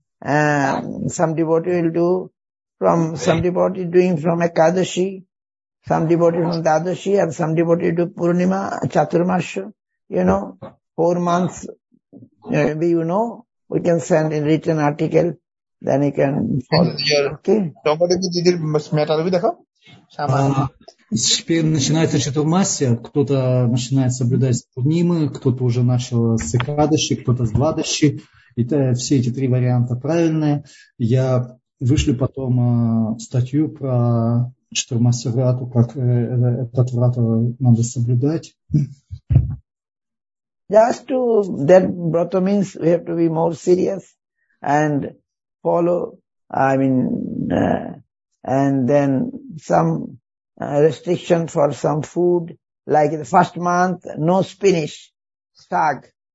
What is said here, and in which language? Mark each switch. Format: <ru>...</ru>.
<en>Some devotee will do from, some devotee doing from Ekadashi, some devotee from Dadashi, and some devotee do Purnima, Chaturmasya, you know, 4 months, maybe you know, we can send in written article, then you can follow.</en> <ru>Теперь начинается Чатурмасия, кто-то начинает соблюдать Пурнимы, кто-то уже начал с Экадаши, кто-то с Двадаши. Это все эти 3 варианта правильные. Я вышлю потом статью про Чатурмасию врату, как этот врат надо соблюдать.</ru> <en>Just to that brata means we have to be more serious and follow, I mean, and then some restriction for some food, like the first month, no spinach, sag.</en>